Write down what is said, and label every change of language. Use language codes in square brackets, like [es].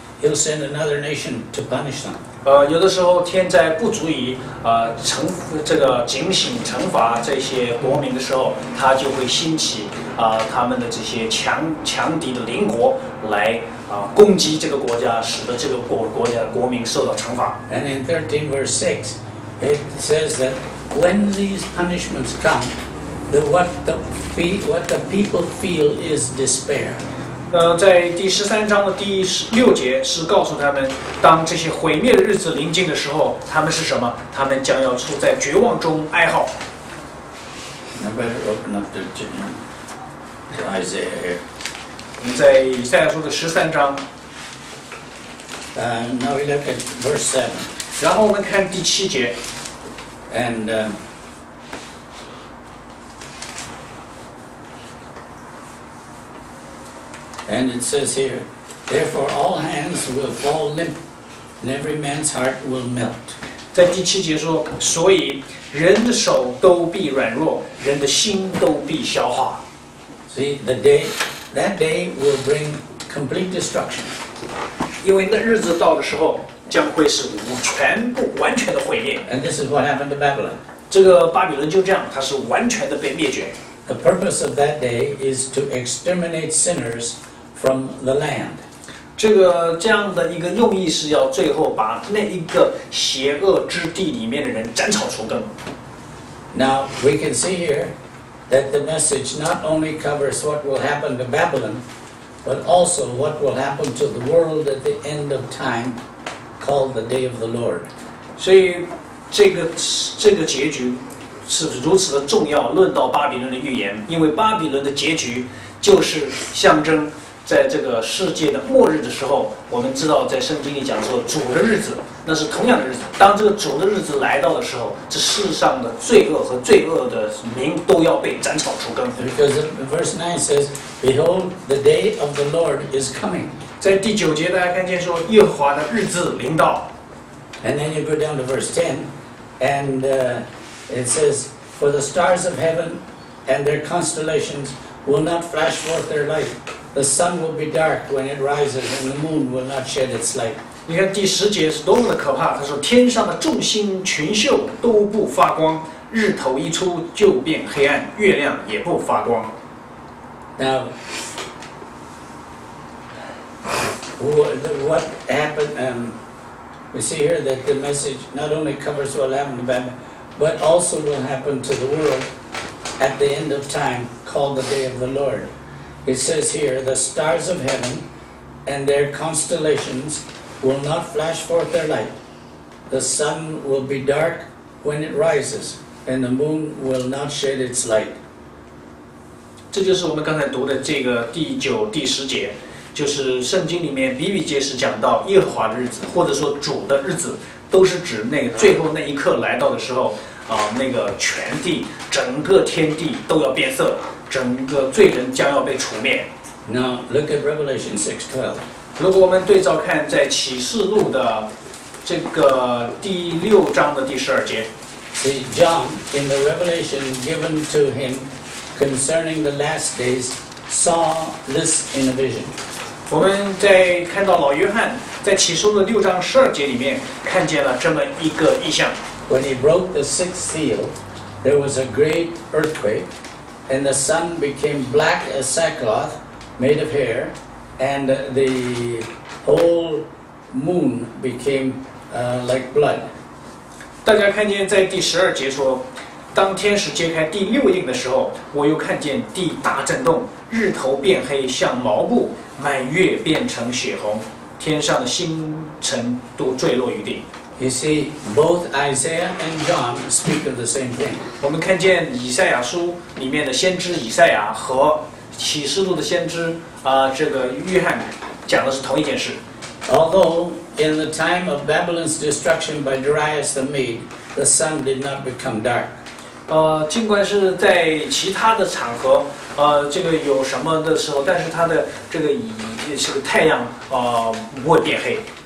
[en] He'll send another nation to punish them. [zh] 有的时候天灾不足以惩这个警醒惩罚这些国民的时候，他就会兴起他们的这些强敌的邻国来攻击这个国家，使得这个国家国民受到惩罚。 [en] And in 13 verse 6, it says that when these punishments come, that what the people feel is despair. [zh] 在第十三章的第六节是告诉他们，当这些毁灭的日子临近的时候，他们是什么？他们将要处在绝望中哀嚎。 [en] I better open up the Isaiah here. [zh] 在以赛亚书的十三章。 [en] Now we look at verse 7. [zh] 然后我们看第七节。 [en] And And it says here, therefore all hands will fall limp, and every man's heart will melt. [zh] 在第七节说，所以人的手都必软弱，人的心都必消化。 [en] See, the day, that day will bring complete destruction. [zh] 因为那日子到的时候，将会是全部完全的毁灭。 [en] And this is what happened to Babylon. [zh] 这个巴比伦就这样，它是完全的被灭绝。 [en] The purpose of that day is to exterminate sinners. From the land, [zh] 这样的一个用意是要最后把那一个邪恶之地里面的人斩草除根。 [en] Now we can see here that the message not only covers what will happen to Babylon, but also what will happen to the world at the end of time, called the Day of the Lord. [zh] 所以这个结局是如此的重要。论到巴比伦的预言，因为巴比伦的结局就是象征。在这个世界的末日的时候，我们知道在圣经里讲说主的日子，那是同样的日子。当这个主的日子来到的时候，这世上的罪恶和罪恶的名都要被斩草除根。 [en] Because verse 9 says, Behold, the day of the Lord is coming. [zh] 在第九节大家看见说耶和华的日子临到。 [en] And then you go down to verse 10, and it says, For the stars of heaven and their constellations will not flash forth their light. The sun will be dark when it rises, and the moon will not shed its light. [zh] 你看第十节是多么的可怕。他说：“天上的众星群宿都不发光，日头一出就变黑暗，月亮也不发光。” [en] Now, what happened? We see here that the message not only covers what happened to Babylon, but also will happen to the world at the end of time, called the Day of the Lord. It says here, the stars of heaven and their constellations will not flash forth their light. The sun will be dark when it rises, and the moon will not shed its light. [zh] 这就是我们刚才读的这个第九、第十节，就是圣经里面比比皆是讲到耶和华的日子，或者说主的日子，都是指那个最后那一刻来到的时候，那个全地、整个天地都要变色。整个罪人将要被除灭。 [en] Now look at Revelation 6:12. [zh] 如果我们对照看在启示录的这个第六章的第十二节 [en] ，See John in the revelation given to him concerning the last days saw this in a vision. [zh] 我们在看到老约翰在启示录的六章十二节里面看见了这么一个异象。 [en] When he broke the sixth seal, there was a great earthquake. And the sun became black as sackcloth, made of hair, and the whole moon became like blood. [zh] 大家看见在第十二节说，当天使揭开第六印的时候，我又看见地大震动，日头变黑像毛布，满月变成血红，天上的星辰都坠落于地。 [en] You see, both Isaiah and John speak of the same thing. [zh] 我们看见以赛亚书里面的先知以赛亚和启示录的先知这个约翰讲的是同一件事。 [en] Although in the time of Babylon's destruction by Darius the Mede, the sun did not become dark. [zh] 尽管是在其他的场合，这个有什么的时候，但是它的这个这个太阳不会变黑。